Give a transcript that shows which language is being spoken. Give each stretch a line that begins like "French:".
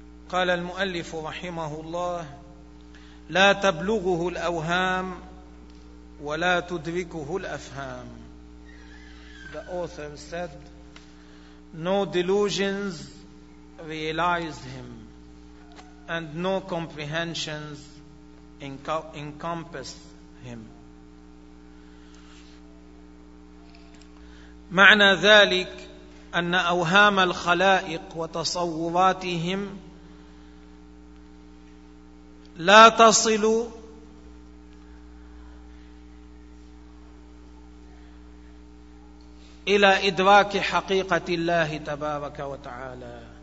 Arabic: قال المؤلف رحمه الله لا تبلغه الأوهام ولا تدركه الأفهام.
English: The author said, no delusions realize him, and no comprehensions encompass him.
Arabic: معنى ذلك أن أوهام الخلائق وتصوراتهم لا تصل إلى إدراك حقيقة الله تبارك وتعالى.